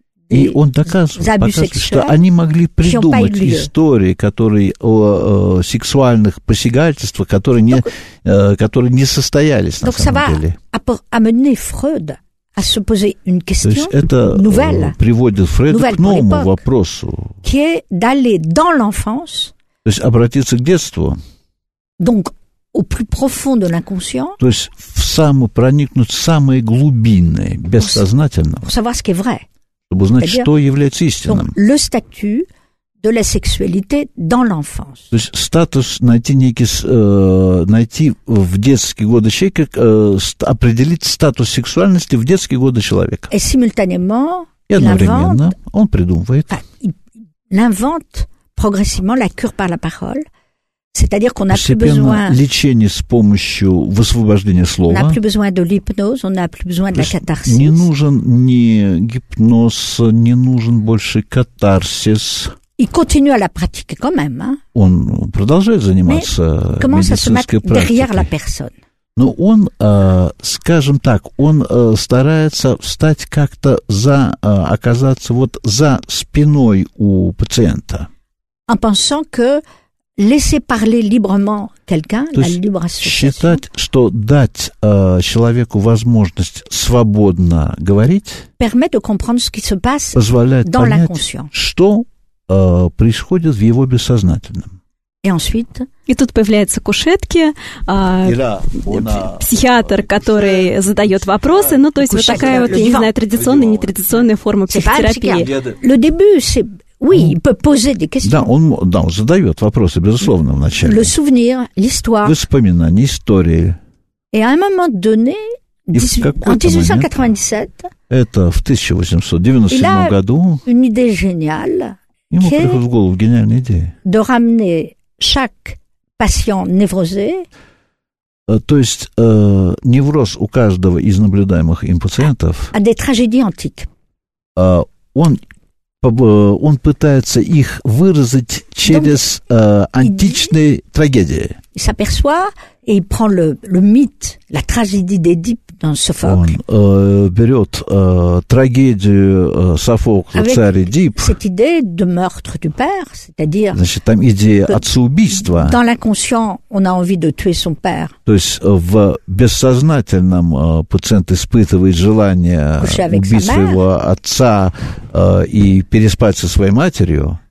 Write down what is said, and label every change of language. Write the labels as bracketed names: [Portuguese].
[Russian] И он доказывает, что они могли придумать истории, которые о сексуальных посягательствах, которые не состоялись на самом деле. [French] Donc ça va amener Freud à se poser une question nouvelle. [Russian] Приводит Фрейда к новому вопросу. [French] Qui est d'aller dans l'enfance. [Russian] То есть обратиться к детству. [French] Donc au plus profond de l'inconscient. [Russian] То есть проникнуть в самые глубины бессознательного. [French] Pour savoir ce qui est vrai. [Russian] Чтобы узнать, что является истинным. [French] Donc, le statut de la сексуалité dans l'enfance. [Russian] То есть статус найти некий, найти в детские годы человека, определить статус сексуальности в детские годы человека. [French] Et simultanément, [Russian] и одновременно он придумывает. [French] Il invente progressivement la cure par la parole. C'est-à-dire qu'on n'a plus besoin... [Russian] Лечение с помощью высвобождения слова. [French] On n'a plus besoin de l'hypnose, on n'a plus besoin de la catharsis. [Russian] Не нужен ни гипноз, не нужен больше катарсис. [French] Il continue à la pratiquer quand même. Hein? [Russian] Он продолжает заниматься медицинской [French] Comment ça se met derrière la personne? [Russian] Ну, он, скажем так, он старается встать как-то за, оказаться вот за спиной у пациента. [French] En pensant que laisser parler librement quelqu'un, [Russian] то есть, [French] la libre association. [Russian] Считать, что дать человеку возможность свободно говорить, [French] permet de comprendre ce qui se passe [Russian] позволяет [French] dans [Russian] понять, [French] l'inconscient. [Russian] Что происходит в его бессознательном. [French] Et ensuite, [Russian] и тут появляются кушетки, психиатр, который задает вопросы, ну, то есть вот такая вот, я не знаю, традиционная, нетрадиционная форма психотерапии. [French] Le début, c'est... Oui, il peut poser des questions. [Russian] Да, он задает вопросы, безусловно, вначале. [French] Le souvenir, l'histoire. [Russian] Воспоминания, истории. [French] Et à un moment donné, [Russian] в какой-то момент, это в 1897 году, ему приходит в голову гениальная идея. [French] De ramener chaque patient névrosé. [Russian] То есть невроз у каждого из наблюдаемых им пациентов. [French] À des tragédies antiques. [Russian] Он пытается их выразить через античные трагедии. [French] Il s'aperçoit et il prend le mythe, la tragédie d'Édipe dans Sophocle. [Russian] Он берет трагедию Софокла, царь Эдип. [French] Avec cette idée de meurtre du père, c'est-à-dire. [Russian] Значит, там идея отца убийства. [French] Dans l'inconscient, on a envie de tuer son père. [Russian] То есть в бессознательном пациент испытывает желание убить своего отца и переспать со своей матерью.